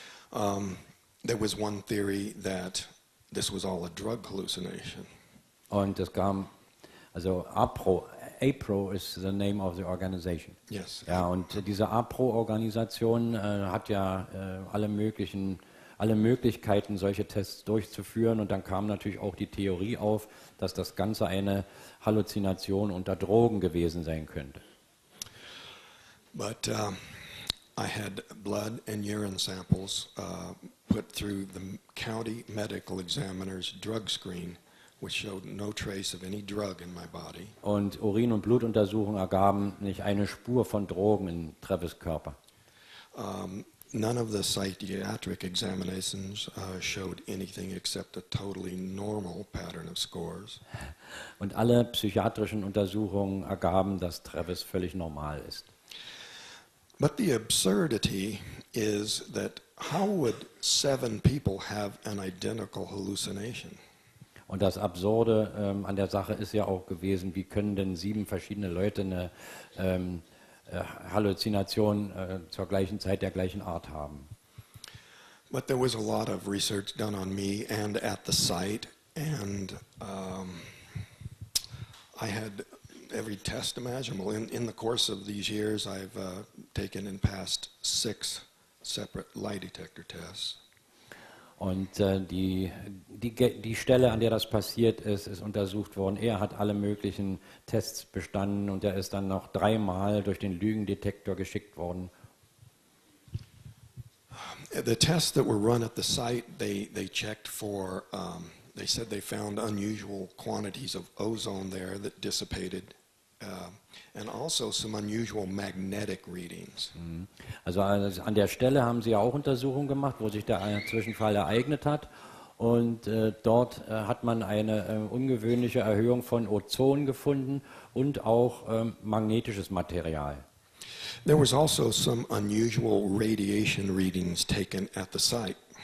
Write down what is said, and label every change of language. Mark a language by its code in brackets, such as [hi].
[en] There was one theory that this was all a drug hallucination. [de] Und es kam, also [en] APRO is the name of the organization. Yes. [de] Ja, und diese APRO-Organisation hat ja alle Möglichkeiten, solche Tests durchzuführen, und dann kam natürlich auch die Theorie auf, dass das Ganze eine Halluzination unter Drogen gewesen sein könnte. [en] But I had blood and urine samples put through the county medical examiner's drug screen, which showed no trace of any drug in my body. [de] Und Urin- und Blutuntersuchungen ergaben nicht eine Spur von Drogen in Travis Körper. [en] None of the psychiatric examinations showed anything except a totally normal pattern of scores. [de] Und alle psychiatrischen Untersuchungen ergaben, dass Travis völlig normal ist. [en] But the absurdity is that how would seven people have an identical hallucination? [de] Und das Absurde an der Sache ist ja auch gewesen, wie können denn sieben verschiedene Leute eine Halluzinationen zur gleichen Zeit der gleichen Art haben. [en] But there was a lot of research done on me and at the site, and I had every test imaginable. In the course of these years, I've taken and passed 6 separate lie detector tests. [de] Und die Stelle, an der das passiert ist, ist untersucht worden. Er hat alle möglichen Tests bestanden und er ist dann noch 3 durch den Lügendetektor geschickt worden. [en] The tests that were run at the site, they checked for, they said they found unusual quantities of ozone there that dissipated, and also some unusual magnetic readings. [de] Also an der Stelle haben sie auch Untersuchungen gemacht, wo sich der Zwischenfall ereignet hat, und dort hat man eine ungewöhnliche Erhöhung von Ozon gefunden und auch magnetisches Material. [en] There was also some unusual radiation readings taken at the site.